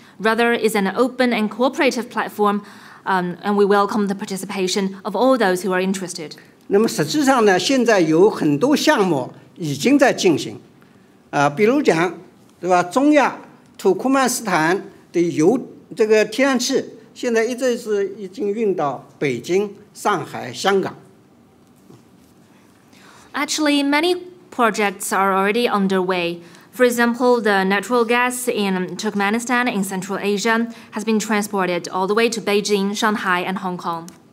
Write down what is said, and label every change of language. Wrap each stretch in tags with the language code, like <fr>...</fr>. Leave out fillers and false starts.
<en>Rather, it's an open and cooperative platform, and we welcome the participation of all those who are interested.</en> <zh>那么实际上呢，现在有很多项目已经在进行，比如讲，对吧？中亚土库曼斯坦的油这个天然气，现在一直是已经运到北京、上海、香港。</zh> <en>Actually, many projects are already underway. For example, the natural gas in Turkmenistan in Central Asia has been transported all the way to Beijing, Shanghai, and Hong Kong.</en>